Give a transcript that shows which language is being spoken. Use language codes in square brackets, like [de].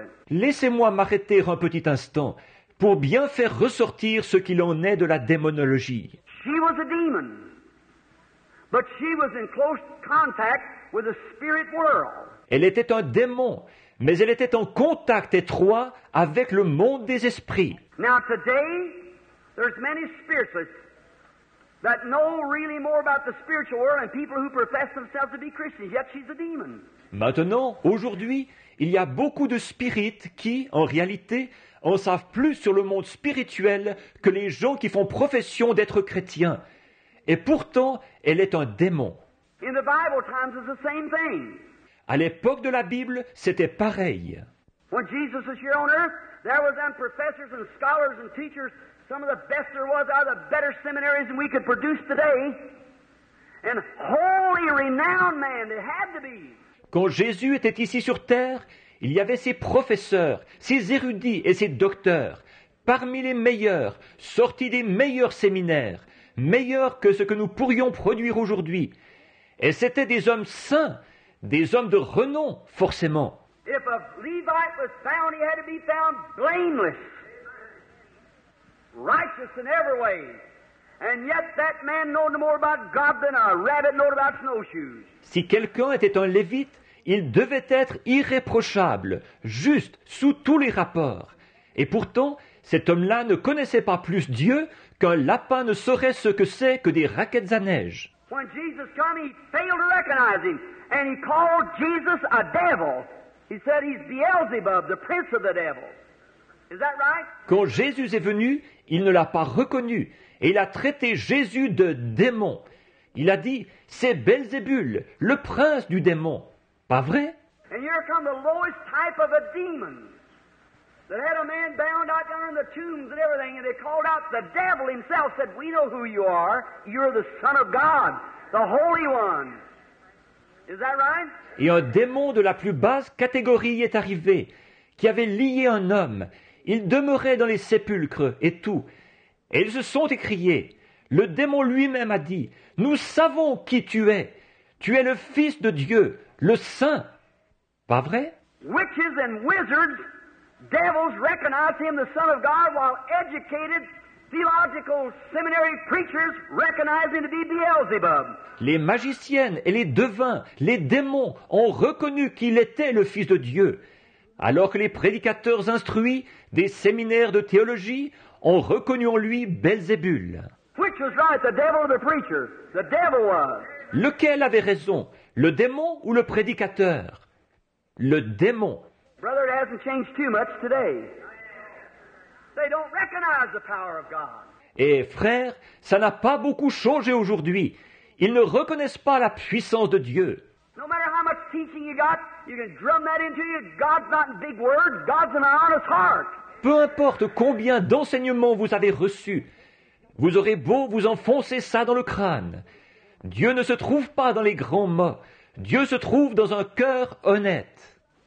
[fr] Laissez-moi m'arrêter un petit instant pour bien faire ressortir ce qu'il en est de la démonologie. [en] She was a demon, but she was in close contact with the spirit world. [fr] Elle était un démon, mais elle était en contact étroit avec le monde des esprits. [en] Now today, there's many spiritualists that know really more about the spiritual world than people who profess themselves to be Christians. Yet she's a demon. [fr] Maintenant, aujourd'hui, il y a beaucoup de spirites qui, en réalité, en savent plus sur le monde spirituel que les gens qui font profession d'être chrétiens. Et pourtant, elle est un démon. [en] In the Bible times, it's the same thing. [fr] À l'époque de la Bible, c'était pareil. [en] When Jesus was here on earth, there was them professors and scholars and teachers, some of the best there was out of the better seminaries than we could produce today, and holy renowned man, they had to be. [fr] Quand Jésus était ici sur terre, il y avait ses professeurs, ses érudits et ses docteurs, parmi les meilleurs, sortis des meilleurs séminaires, meilleurs que ce que nous pourrions produire aujourd'hui. Et c'étaient des hommes saints, des hommes de renom, forcément. [en] If a Levite was found, he had to be found blameless, righteous in every way, And yet that man know no more about God than a rabbit knows about snowshoes. [fr] Si quelqu'un était un lévite, il devait être irréprochable, juste, sous tous les rapports. Et pourtant, cet homme-là ne connaissait pas plus Dieu qu'un lapin ne saurait ce que c'est que des raquettes à neige. [en] When Jesus came, he failed to recognize him, and he called Jesus a devil. He said he's Beelzebub, the prince of the devils. Is that right? [fr] Quand Jésus est venu, il ne l'a pas reconnu, et il a traité Jésus de démon. Il a dit, c'est Belzébul, le prince du démon. Pas vrai? [en] And here come the lowest type of a demon. They had a man bound out there in the tombs and everything, and they called out the devil himself, said, we know who you are, you're the Son of God, the Holy One. Is that right? [fr] Et un démon de la plus basse catégorie est arrivé, qui avait lié un homme. Il demeurait dans les sépulcres et tout. Et ils se sont écriés. Le démon lui-même a dit, nous savons qui tu es. Tu es le Fils de Dieu, le Saint. Pas vrai? [en] Witches and wizards. Devils recognize him, the Son of God, while educated theological seminary preachers recognize him to be Beelzebub. [fr] Les magiciennes et les devins, les démons, ont reconnu qu'il était le Fils de Dieu. Alors que les prédicateurs instruits des séminaires de théologie ont reconnu en lui Belzébul. [en] Which was right, the devil or the preacher? The devil was. [fr] Lequel avait raison, le démon ou le prédicateur? Le démon. [en] Brother, it hasn't changed too much today. They don't recognize the power of God. [fr] Et frère, ça n'a pas beaucoup changé aujourd'hui. Ils ne reconnaissent pas la puissance de Dieu. [en] No matter how much teaching you got, you can drum that into you. God's not in big words. God's in an honest heart. [fr] Peu importe combien d'enseignements vous avez reçus, vous aurez beau vous enfoncer ça dans le crâne. Dieu ne se trouve pas dans les grands mots. Dieu se trouve dans un cœur honnête.